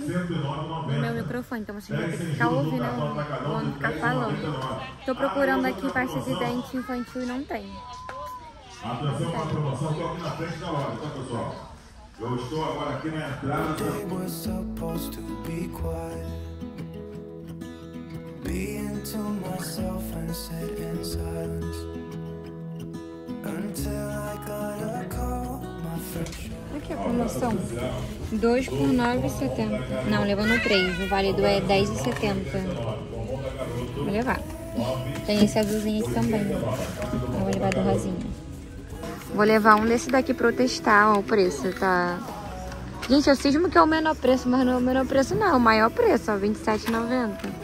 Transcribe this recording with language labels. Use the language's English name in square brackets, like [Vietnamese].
[Portuguese] No meu microfone, então vocês vão ter que ficar ouvindo, né? Vão ficar falando. Tô procurando aqui pasta de dente infantil e não tem. Atenção para a promoção, tô aqui na frente da loja, tá, pessoal? Eu estou agora aqui na entrada. [English] It was supposed to be quiet, be into myself and sit in silence until I got a call, my friend. [Portuguese] Aqui a promoção, 2 por 9,70. Não, levando 3. O válido é 10,70. Vou levar. Tem esse azulzinho aqui também. É o elevador rosinha. Vou levar um desse daqui pra eu testar. Ó, o preço tá... Gente, eu cismo que é o menor preço, mas não é o menor preço, não. É o maior preço, ó, R$27,90.